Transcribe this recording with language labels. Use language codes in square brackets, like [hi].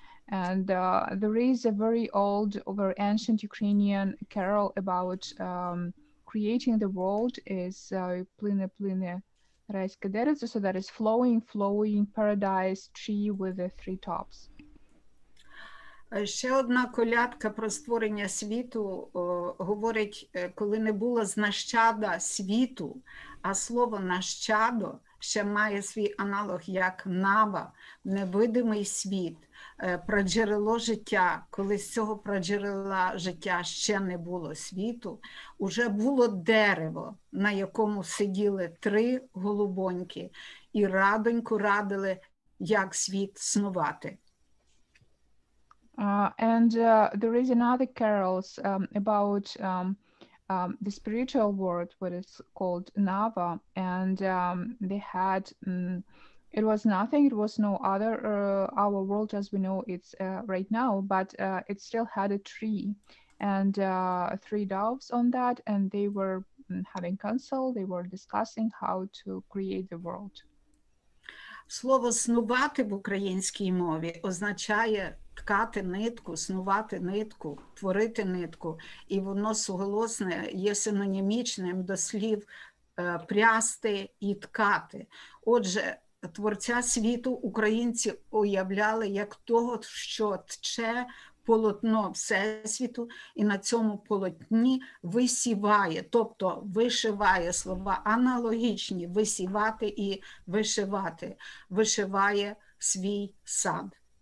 [en] And there is a very old, very ancient Ukrainian carol about creating the world is [uk] plyne, plyne, raiske derevtse, [en] so that is flowing, flowing paradise tree with the three tops. [uk] Ще одна колядка про створення світу говорить, коли не було знащада світу, а слово «нащадо» ще має свій аналог як нава, невидимий світ, проджерело життя, коли з цього проджерела життя ще не було світу, уже було дерево, на якому сиділи три голубоньки і радоньку радили, як світ снувати. [en] There is another carols about the spiritual world, what is called Nava, and they had it was nothing, it was no other our world as we know it's right now, but it still had a tree and three doves on that, and they were having council, they were discussing how to create the world. [uk] Слово «снувати» в українській мові означає ткати нитку, снувати нитку, творити нитку. І воно суголосне, є синонімічним до слів «прясти» і «ткати». Отже, творця світу українці уявляли як того, що тче полотно Всесвіту, і на цьому полотні висіває, тобто вишиває, слова аналогічні, висівати і вишивати, вишиває свій сад.